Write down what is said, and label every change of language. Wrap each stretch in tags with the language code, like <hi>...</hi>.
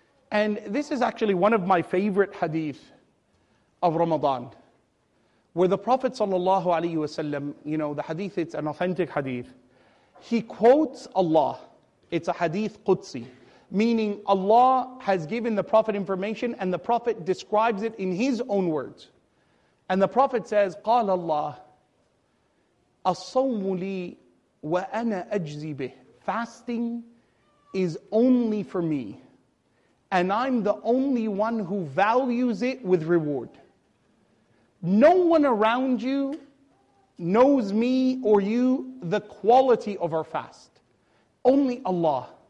<en>And this is actually one of my favorite hadith of Ramadan, where the Prophet sallallahu alayhi wa sallam, you know, the hadith, it's an authentic hadith. He quotes Allah. It's a hadith Qudsi, meaning Allah has given the Prophet information and the Prophet describes it in his own words. And the Prophet says,</en> <ar>قال الله أصوم لي وأنا أجزي به.</ar> <en>Fasting is only for me, and I'm the only one who values it with reward. No one around you knows me or you the quality of our fast. Only Allah.</en>